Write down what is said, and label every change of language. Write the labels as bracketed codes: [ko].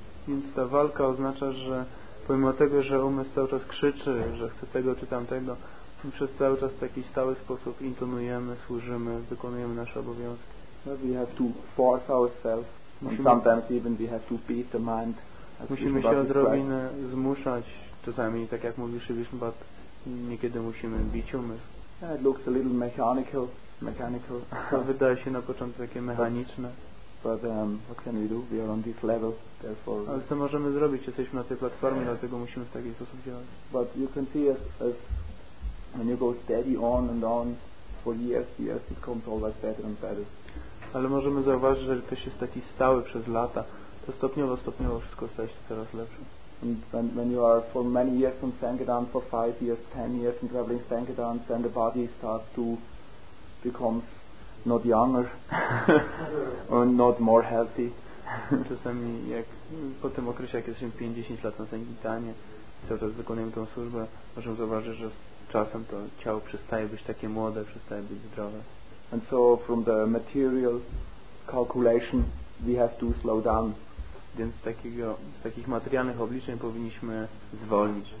[pl] Więc ta walka oznacza, że pomimo tego, że umysł cały czas krzyczy, że chce tego czy tamtego, my przez cały czas w taki stały sposób intonujemy, służymy, wykonujemy nasze obowiązki. [en] Well, we have to force ourselves, and sometimes even we have to beat the mind. [pl] Musimy się odrobinę zmuszać, czasami tak jak mówi Vishnu Pad, niekiedy musimy bić umysł. [en] Yeah, it looks a little mechanical. [pl] To wydaje się na początku takie mechaniczne. [en] But what can we do? We are on this level, therefore. [pl] Ale co możemy zrobić? Jesteśmy na tej platformie, dlatego musimy w taki sposób działać. [en] But you can see as when you go steady on and on for years, it comes always better and better. [pl] Ale możemy zauważyć, że ktoś jest taki stały przez lata, to stopniowo wszystko staje się coraz lepsze. [en] And when you are for many years in Sangadan, for 5 years, 10 years in traveling Sangadan, then the body starts to become not younger and not more healthy. [pl] Czasami jak po tym okresie, jak jesteśmy 5-10 lat na Sangitanie, cały czas wykonujemy tą służbę, możemy zauważyć, że czasem to ciało przestaje być takie młode, przestaje być zdrowe. [en] And so from the material calculation we have to slow down. [pl] Więc z takich materialnych obliczeń powinniśmy zwolnić.